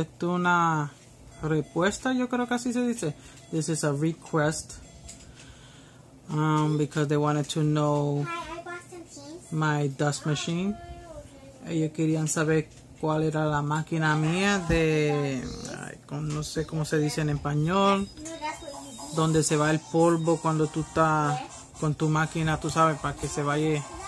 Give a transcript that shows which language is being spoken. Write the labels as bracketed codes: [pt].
[es] Esto es una respuesta, yo creo que así se dice. [en] This is a request. Because they wanted to know my dust machine. [es] Ellos querían saber cuál era la máquina mía de, no sé cómo se dice en español, donde se va el polvo cuando tú estás con tu máquina, tú sabes, para que se vaya.